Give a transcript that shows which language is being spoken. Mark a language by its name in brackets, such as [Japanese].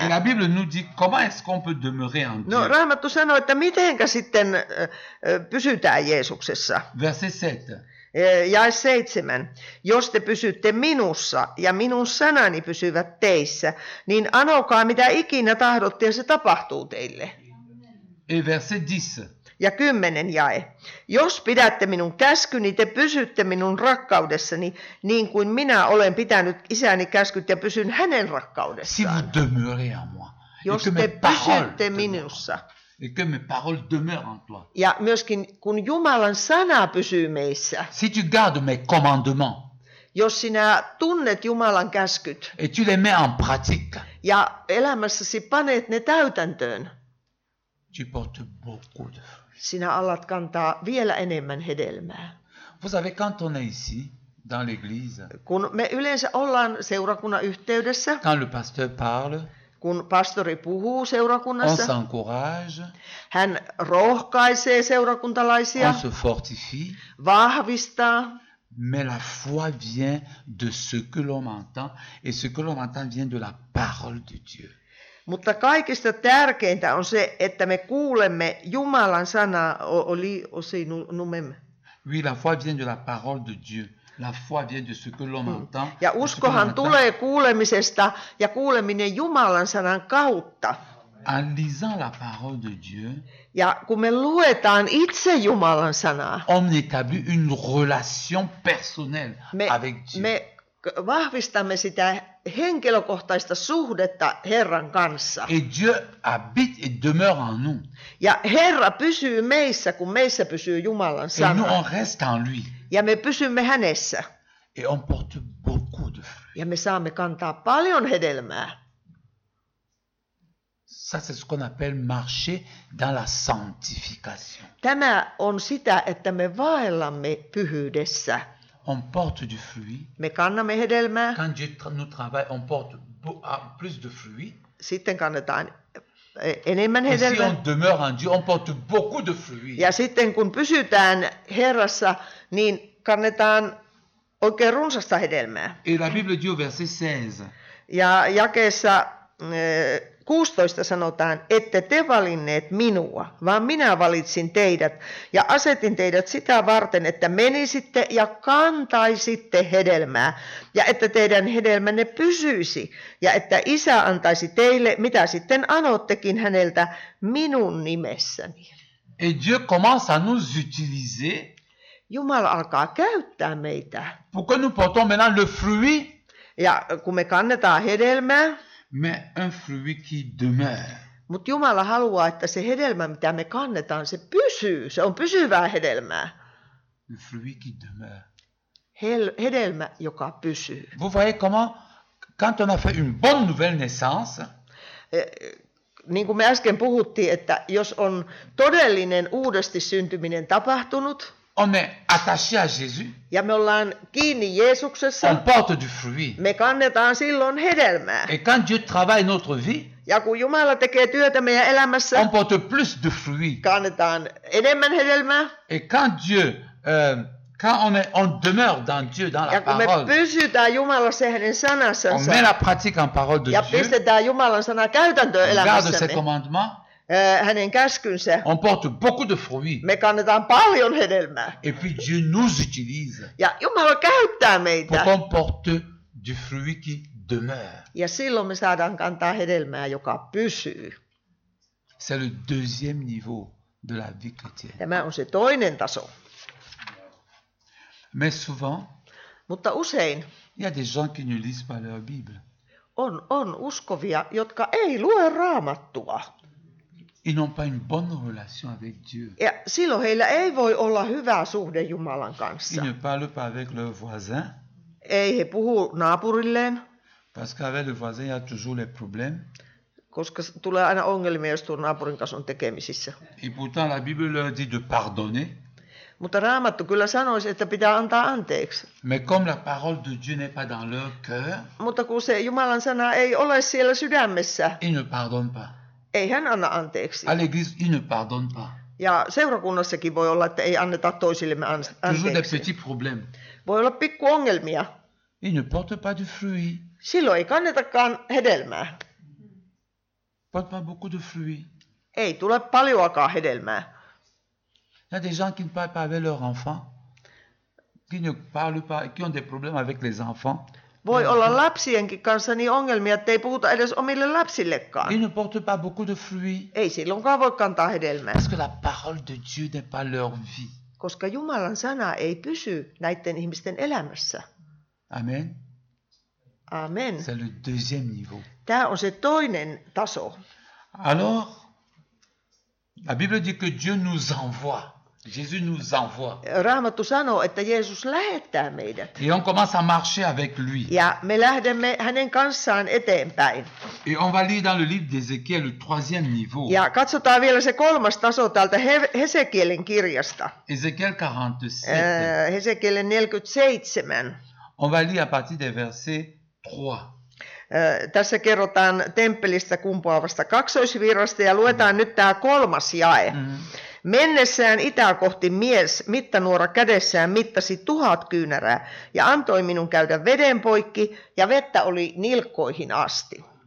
[French] Et la Bible nous dit comment est-ce qu'on peut demeurer en Dieu. [Finnish] No, Raamattu sanoo, että mitenkä sitten pysytään Jeesuksessa. [French] Verset 7. [Finnish] Jae 7. Jos te pysytte minussa ja minun sanani pysyvät teissä, niin anokaa mitä ikinä tahdotte ja se tapahtuu teille. [French] Et verset 10. [Finnish] Ja 10. jae. Jos pidätte minun käskyni, te pysytte minun rakkaudessani, niin kuin minä olen pitänyt isäni käskyt ja pysyn hänen rakkaudessaan. [French] Si vous demeurez en moi. [Finnish] Jos te pysytte minussa. [French] Et que mes paroles demeurent en toi. [Finnish] Ja myöskin kun Jumalan sana pysyy meissä. [French] Si tu gardes mes commandements. [Finnish] Jos sinä tunnet Jumalan käskyt. [French] Et tu les mets en pratique. [Finnish] Ja elämässäsi panet ne täytäntöön. [French] Tu portes beaucoup de fruits. [Finnish] Sinä alat kantaa vielä enemmän hedelmää. [French] Vous savez, quand on est ici, dans l'église, [Finnish] kun me yleensä ollaan seurakunnan yhteydessä. [French] Quand le pasteur parle. [Finnish] Kun pastori puhuu seurakunnassa, [French] on s'encourage, [Finnish] hän rohkaisee seurakuntalaisia, [French] on se fortifie, [Finnish] vahvistaa. [French] Mais la foi vient de ce que l'on entend, et ce que l'on entend vient de la parole de Dieu. [Finnish] Mutta kaikista tärkeintä on se, että me kuulemme Jumalan sanaa, oli [French] aussi nous-mêmes. Oui, la foi vient de la parole de Dieu. La foi vient de ce que l'on entend. [Finnish] Ja uskohan tulee kuulemisesta ja kuuleminen Jumalan sanan kautta. [French] En lisant la parole de Dieu. [Finnish] Ja kun me luetaan itse Jumalan sanaa. [French] On établit une relation personnelle avec Dieu. [Finnish] Me vahvistamme sitä henkilökohtaista suhdetta Herran kanssa. [French] Et Dieu habite et demeure en nous. [Finnish] Ja Herra pysyy meissä, kun meissä pysyy Jumalan sana. [French] Et nous on reste en lui. [Finnish] Ja me pysymme hänessä. [French] Et on porte beaucoup de fruits. [Finnish] Ja me saamme kantaa paljon hedelmää. [French] Ça c'est ce qu'on appelle marcher dans la sanctification. [Finnish] Tämä on sitä, että me vaellamme pyhyydessä. [French] On porte du fruit. [Finnish] Me kannamme hedelmää. [French] Quand Dieu nous travaille, on porte plus de fruits. [Finnish] Sitten kannetaan enemmän hedelmää. [French] Si on demeure en Dieu, on porte beaucoup de fruits. [Finnish] Ja sitten kun pysytään Herrassa, niin kannetaan oikein runsasta hedelmää. [French] Et la Bible dit au verset 16. [Finnish] Ja jakeessa 16 sanotaan, ette te valinneet minua, vaan minä valitsin teidät ja asetin teidät sitä varten, että menisitte ja kantaisitte hedelmää ja että teidän hedelmänne pysyisi ja että isä antaisi teille, mitä sitten anottekin häneltä minun nimessäni. [French] Et Dieu commence à nous utiliser. [Finnish] Jumala alkaa käyttää meitä. [French] Pour que nous portons maintenant le fruit. [Finnish] Ja kun me kannetaan hedelmää. [French] Mais un fruit qui demeure. [Finnish] Mut Jumala haluaa, että se hedelmä, mitä me kannetaan, se pysyy. Se on pysyvää hedelmää. [French] Le fruit qui demeure. [Finnish] Hedelmä, joka pysyy. [French] Vous voyez comment, quand on a fait une bonne nouvelle naissance. [Finnish] Niin kuin me äsken puhuttiin, että jos on todellinen uudesti syntyminen tapahtunut. [French] On est attaché à Jésus. [Finnish] Ja me ollaan kiinni Jeesuksessa. [French] On porte du fruit. [Finnish] Me kannetaan silloin hedelmää. [French] Et quand Dieu travaille notre vie. [Finnish] Ja kun Jumala tekee työtä meidän elämässä. [French] On porte plus de fruit. [Finnish] Kannetaan enemmän hedelmää. [French] Et quand Dieu quand on demeure dans Dieu dans [Finnish] ja [French] la parole. [Finnish] Ja kun me pysytään Jumalassa hänen sanassansa. [French] On met la pratique en parole de [Finnish] ja [French] Dieu. [Finnish] Ja pistetään Jumalan sana käytäntöön elämässämme. [French] Garde ses commandements. [Finnish] Hänen käskynsä. [French] On porte beaucoup de fruits. [Finnish] Me kannetaan paljon hedelmää. [French] Et puis Dieu nous utilise. [Finnish] Ja Jumala käyttää meitä. [French] Pour qu'on porte du fruit qui demeure. [Finnish] Ja silloin me saadaan kantaa hedelmää, joka pysyy. [French] C'est le deuxième niveau de la vie chrétienne. [Finnish] Tämä on se toinen taso. [French] Mais souvent. [Finnish] Mutta usein. [French] Il y a des gens qui ne lisent pas leur Bible. [Finnish] On uskovia, jotka ei lue Raamattua. [French] Ils n'ont pas une bonne relation avec Dieu. [Finnish] Ja silloin heillä ei voi olla hyvä suhde Jumalan kanssa. [French] Ils ne parlent pas avec leur voisin. [Finnish] Ei he puhu naapurilleen. [French] Parce qu'avec le voisin, il y a toujours les problèmes. [Finnish] Koska tulee aina ongelmia, jos tuon naapurin kanssa on tekemisissä. [French] Et pourtant, la Bible leur dit de pardonner. [Finnish] Mutta Raamattu kyllä sanoisi, että pitää antaa anteeksi. [French] Mais comme la parole de Dieu n'est pas dans leur cœur. [Finnish] Mutta kun se Jumalan sana ei ole siellä sydämessä. [French] Ils ne pardonnent pas. [Finnish] Ei hän anna anteeksi. [French] À l'église, ils ne pardonnent pas. [Finnish] Ja seurakunnassakin voi olla, että ei anneta toisillemme anteeksi. [French] Toujours des petits problèmes. [Finnish] Voi olla pikku ongelmia. [French] Ils ne portent pas du fruit. [Finnish] Silloin ei kannetakaan hedelmää. [French] Porte pas beaucoup de fruit. [Finnish] Ei tule paljoakaan hedelmää. [French] Il y a des gens qui ne parlent pas avec leurs enfants, qui ne parlent pas, qui ont des problèmes avec les enfants. [Finnish] Voi olla lapsienkin kanssa niin ongelmia, ettei puhuta edes omille lapsillekaan. [French] Ils ne portent pas beaucoup de fruits. [Finnish] Ei silloinkaan voi kantaa hedelmää. [French] Parce que la parole de Dieu n'est pas leur vie. [Finnish] Koska Jumalan sana ei pysy näiden ihmisten elämässä. [French] Amen. [Finnish] Amen. [French] C'est le deuxième niveau. [Finnish] Tämä on se toinen taso. [French] Alors, la Bible dit que Dieu nous envoie. Jésus nous envoie. [Finnish] Raamattu sanoo, että Jeesus lähettää meidät. [French] Et on commence à marcher avec lui. [Finnish] Ja me lähdemme hänen kanssaan eteenpäin. [French] Et on va lire dans le livre d'Ézéchiel le troisième niveau. [Finnish] Ja katsotaan vielä se kolmas taso täältä Hesekielin kirjasta. [French] Ézéchiel 47. [Finnish] Hesekiel 47. [French] On va lire à partir des versets 3. [Finnish] Tässä kerrotaan temppelistä kumpuavasta kaksoisvirrasta ja luetaan nyt tämä kolmas jae. Mm-hmm. Mennessään itää kohti mies mittanuora kädessään mittasi 1000 kyynärää ja antoi minun käydä veden poikki ja vettä oli nilkkoihin asti.